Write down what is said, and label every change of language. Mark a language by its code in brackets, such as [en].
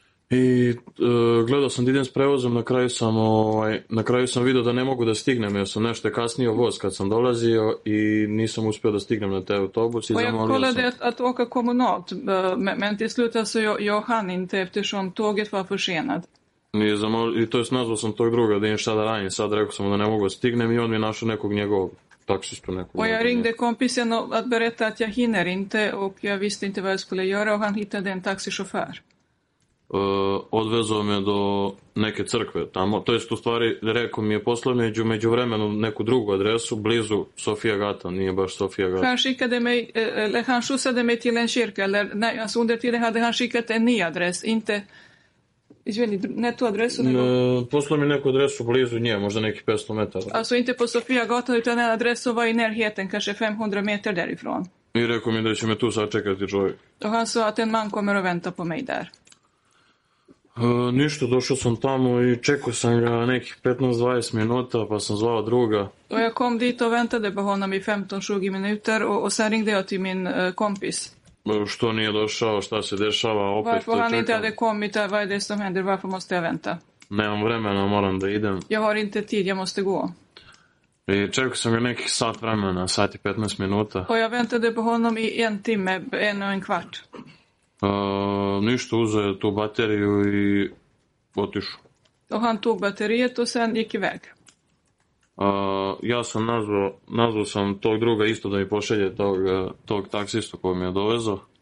[sr] I gledao sam da idem s prevozom, na kraju sam na kraju sam vidio da ne mogu da stignem, jer sam nešto kasnio voz kad sam dolazio i nisam uspio da stignem na te autobus. [sv] Och jag kollade att åka kommunalt, men till slut så jag hann inte eftersom tåget var försenat. [sr] I to jest nazvao sam tog druga da im šta da radim, sad rekao sam da ne mogu da stignem i on mi našao nekog njegovog taksistu. [sv] Och jag ringde kompisen att berätta att jag hinner inte och jag visste inte vad jag skulle göra och han hittade en taksichaufför. [sr] Odvezao me do neke crkve tamo, to jest u stvari rekao mi je poslao među vremenu neku drugu adresu blizu Sofia Gata, nije baš Sofia Gata. [sv] Han skickade mig, eller han skjutsade mig till en kyrka, eller nej, alltså under tiden hade han skickat en ny adres, inte, [sr] izvini, ne tu adresu, nego... Poslao mi neku adresu blizu nje, možda neki 500 metara. [sv] Alltså inte på Sofia Gata, utan en adresu var i närheten, kanske 500 meter därifrån. [sr] I rekao mi da će me tu sačekati čovjek. [sv] Och han sa att en man kommer att vänta på mig där. [sr] Ništa, došao sam tamo i čekao sam ga nekih 15-20 minuta, pa sam zvao druga. [sv] Och jag kom dit och väntade på honom i 15-20 minuter och sen ringde jag till min kompis. [sr] Što nije došao, šta se dešava, opet [sv] varför han inte hade kommit, vad är det som händer, varför måste jag vänta? [sr] Nemam vremena, moram da idem. [sv] Jag har inte tid, jag måste gå. [sr] I čekao sam ga nekih sat vremena, sat i 15 minuta. [sv] Och jag väntade på honom i en timme, en och en kvart. [sr] Ništa, uzeo tu bateriju i otišao. [sv] Och han tog bateriet och sen gick iväg. [sr] Ja sam nazvao sam tog druga isto da mi pošalje tog taksistu koji mi je dovezao.